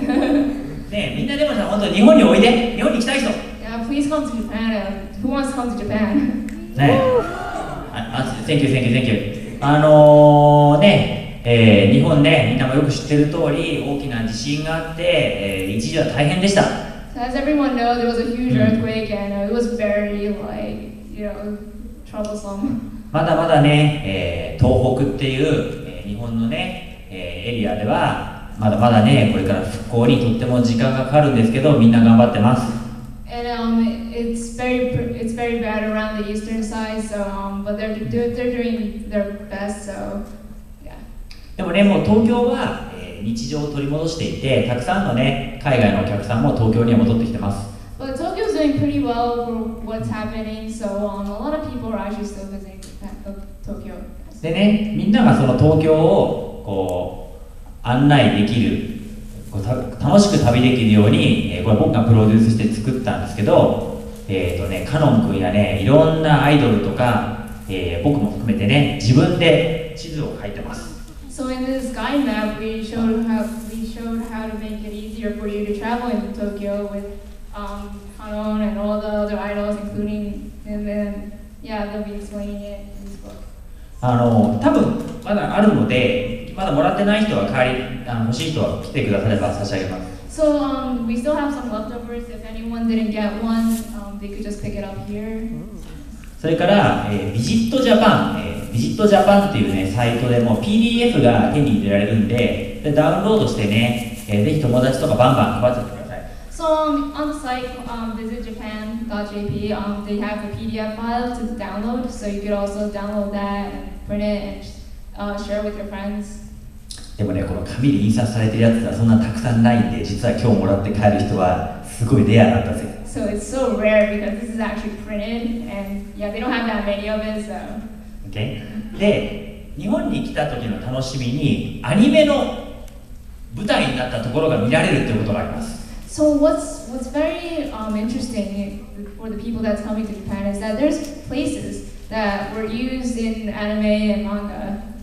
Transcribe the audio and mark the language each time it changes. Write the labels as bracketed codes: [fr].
[ja] ねえ、みんなでもさ、本当に日本においで。日本に来たい人。 [en] Yeah, please come to Japan. Who wants to come to Japan? ねえ、thank you, thank you, thank you. [ja] ね、日本ね、みんなもよく知ってる通り、大きな地震があって、一時は大変でした。 [en] So as everyone knows, there was a huge earthquake and it was very, like, you know, troublesome. [ja] まだまだね、東北っていう、日本のね、エリアでは、まだまだね、これから復興にとっても時間がかかるんですけど、みんな頑張ってます。 [en] And it's very bad around the eastern side, so, but they're doing their best, so... [ja] でもね、もう東京は、日常を取り戻していて、たくさんのね、海外のお客さんも東京には戻ってきてます。 [en] But Tokyo is doing pretty well for what's happening, so a lot of people are actually still visiting Tokyo. [ja] でね、みんながその東京をこう案内できる、こう楽しく旅できるように、これ僕がプロデュースして作ったんですけど、ね、カノン君やね、いろんなアイドルとか、僕も含めてね、自分で地図を描いてます。 [en] So in this guide map, we showed how to make it easier for you to travel into Tokyo with Hanon and all the other idols, including him, and yeah, they'll be explaining it in this book. [ja] 多分まだあるので、まだもらってない人は代わり、欲しい人は来てくだされば差し上げます。 [en] So we still have some leftovers. If anyone didn't get one, they could just pick it up here. [ja] それから、ビジットジャパン、ビジットジャパンっていうね、サイトでも PDF が手に入れられるんで、でダウンロードしてね、ぜひ友達とかバンバン配っちゃってください。 [en] So, on the site, visitjapan.jp, they have a PDF file to download, so you could also download that and print it and share with your friends. [ja] でもね、この紙で印刷されてるやつはそんなたくさんないんで、実は今日もらって帰る人はすごいレアだったぜ。 [en] So it's so rare because this is actually printed and yeah, they don't have that many of it, so. [ja] Okay. で、日本に来た時の楽しみにアニメの舞台になったところが見られるということがあります。 [en] So what's very interesting for the people that's coming to Japan is that there's places that were used in anime and manga.